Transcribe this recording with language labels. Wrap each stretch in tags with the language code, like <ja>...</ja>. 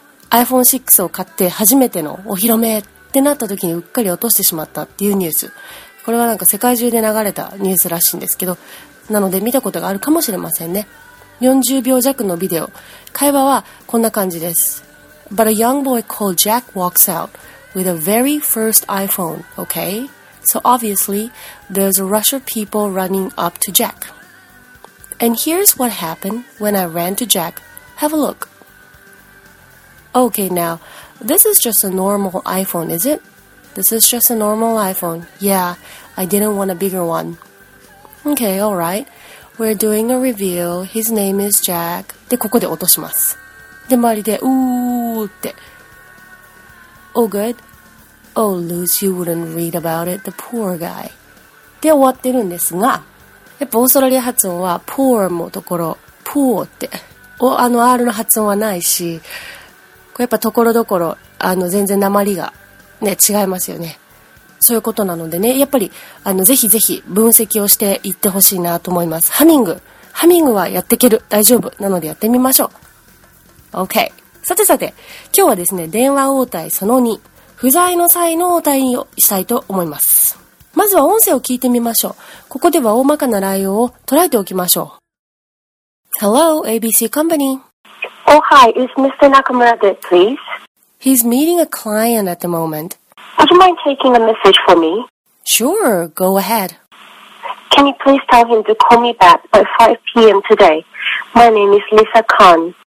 <ja>iPhone 6を買って初めてのお披露目ってなった時にうっかり落としてしまったっていうニュース。これはなんか世界中で流れたニュースらしいんですけど、なので見たことがあるかもしれませんね。 40秒弱のビデオ。会話はこんな感じです。</ja> <en>But a young boy called Jack walks out. With a very first iPhone, okay? So obviously, there's a rush of people running up to Jack. And here's what happened when I ran to Jack. Have a look. Okay, now, this is just a normal iPhone, is it? This is just a normal iPhone. Yeah, I didn't want a bigger one. Okay, all right. We're doing a review. His name is Jack.</en> <ja>で、ここで落とします。で、周りで、うーって。</ja> <en>Oh, good. Oh, Luce, you wouldn't read about it. The poor guy.</en> <ja>で、終わってるんですが、やっぱオーストラリア発音は、poor もところ、poor って、R の発音はないし、これやっぱところどころ、全然訛りが、ね、違いますよね。そういうことなのでね、やっぱり、ぜひぜひ分析をしていってほしいなと思います。ハミングはやっていける。大丈夫。なのでやってみましょう。OK。さてさて、今日はですね、電話応対その2、不在の際の応対をしたいと思います。まずは音声を聞いてみましょう。ここでは大まかな内容を捉えておきましょう。</ja> <en>Hello, ABC Company. Oh, hi, is Mr. Nakamura there, please? He's meeting a client at the moment. Would you mind taking a message for me? Sure, go ahead. Can you please tell him to call me back by 5 p.m. today? My name is Lisa Khan.</en>